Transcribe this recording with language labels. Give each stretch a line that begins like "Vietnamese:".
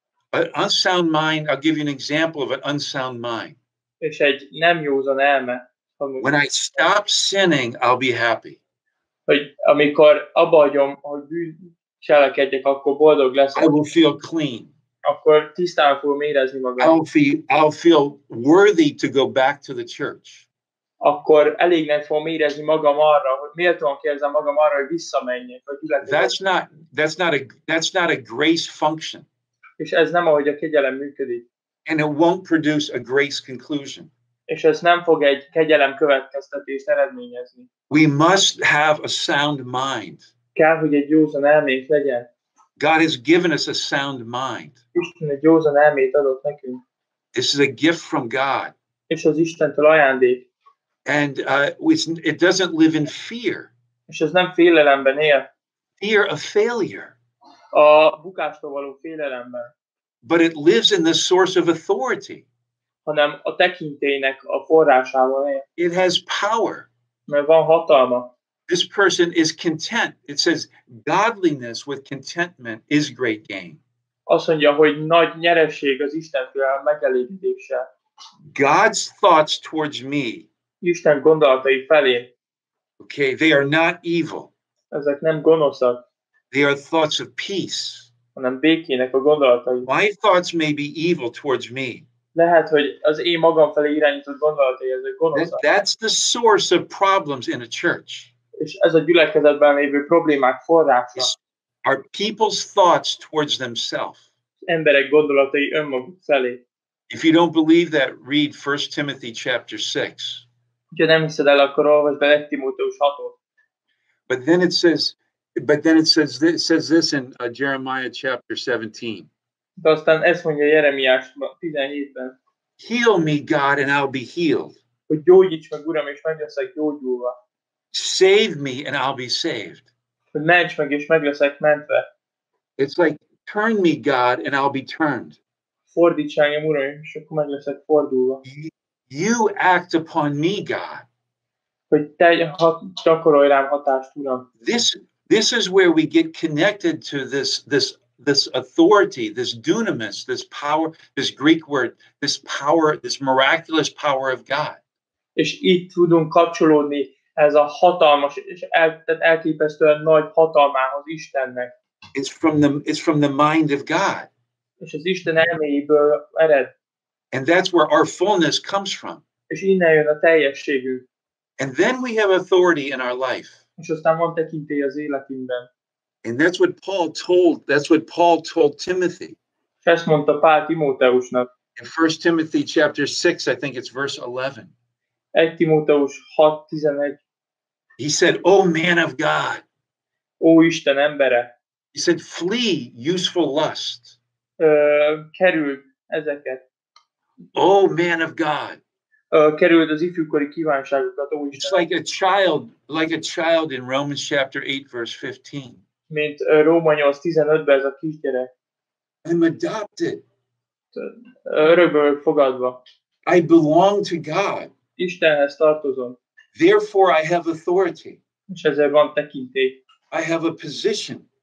English: An unsound mind, I'll give you an example of an unsound mind.
Hungarian: És egy nem józan elme.
English: When I stop sinning, I'll be happy.
Hungarian: Hogy amikor abba hagyom, hogy bűn cselekedjek, akkor boldog leszek.
English: I will feel clean.
Hungarian: Akkor tisztán fogom érezni magam.
English: I'll feel worthy to go back to the church.
Hungarian: Akkor elégnek fogom érezni magam arra, hogy méltóan kérzem magam arra, hogy visszamenjek.
English: That's not a grace function.
Hungarian: És ez nem ahogy a kegyelem működik.
English: And it won't produce a grace conclusion.
Hungarian: És ez nem fog egy kegyelem következtetést eredményezni.
English: We must have a sound mind.
Hungarian: Kell, hogy egy józan elmét legyen.
English: God has given us a sound mind.
Hungarian: Isten egy józan elmét adott nekünk.
English: This is a gift from God.
Hungarian: És az Istentől ajándék.
English: And it doesn't live in fear.
Hungarian: És ez nem félelemben él.
English: Fear of failure.
Hungarian: A bukástól való félelemben.
English: But it lives in the source of authority.
Hungarian: Hanem a tekintélynek a forrásában él.
English: It has power.
Hungarian: Mert van hatalma.
English: This person is content. It says godliness with contentment is great gain.
Hungarian: Azt mondja, hogy nagy nyereség az Istentől megelégedése.
English: God's thoughts towards me.
Hungarian: Isten gondolatai felé.
English: Okay, they are not evil.
Hungarian: Ezek nem gonoszak.
English: They are thoughts of peace.
Hungarian: Hanem békének a gondolatai.
English: My thoughts may be evil towards me.
Hungarian: Lehet, hogy az én magam felé irányított gondolatai, ezek gonoszak.
English: That's the source of problems in a church.
Hungarian: És ez a gyülekezetben lévő problémák forrása.
English: Are people's thoughts towards themselves.
Hungarian: Emberek gondolatai önmaguk felé.
English: If you don't believe that, read 1 Timothy chapter 6.
Hungarian: Ha nem hiszed el, akkor olvasd be 1 Timóteus 6-ot.
English: But then it says this in Jeremiah chapter 17.
Hungarian: De aztán ezt mondja Jeremiás 17-ben.
English: Heal me, God, and I'll be healed.
Hungarian: Hogy gyógyíts meg, Uram, és meg leszek gyógyulva.
English: Save me and I'll be saved.
Hungarian: Ments meg és meg leszek mentve.
English: It's like turn me, God, and I'll be turned.
Hungarian: Fordíts engem, Uram, és akkor meg leszek fordulva.
English: You act upon me, God.
Hungarian: Hogy te gyakorolj rám hatást, Uram.
English: This is where we get connected to this authority, this dunamis, this power, this Greek word, this power, this miraculous power of God.
Hungarian: és itt tudunk kapcsolódni ez a hatalmas és elképesztően nagy hatalmához, Istennek.
English: It's from the mind of God.
Hungarian: És az Isten elméjéből ered.
English: And that's where our fullness comes from.
Hungarian: És innen jön a teljességünk.
English: And then we have authority in our life.
Hungarian: És aztán van tekintély az életünkben.
English: And that's what Paul told Timothy.
Hungarian: És ezt mondta Pál Timóteusnak.
English: In 1 Timothy chapter 6, I think it's verse 11.
Hungarian: 1 Timóteus 6:11.
English: He said, "O man of God."
Hungarian: Ó Isten embere.
English: He said, "Flee youthful lust."
Hungarian: Kerüld ezeket.
English: O man of God.
Hungarian: Kerüld az ifjúkori kívánságokat, ó Isten.
English: It's like a child in Romans chapter 8 verse 15.
Hungarian: Mint Róma 8:15-ben ez a kisgyerek.
English: I'm adopted.
Hungarian: Örökből fogadva.
English: I belong to God.
Hungarian: Istenhez tartozom.
English: Therefore I have authority.
Hungarian: És ezért van tekintély.
English: I have a position.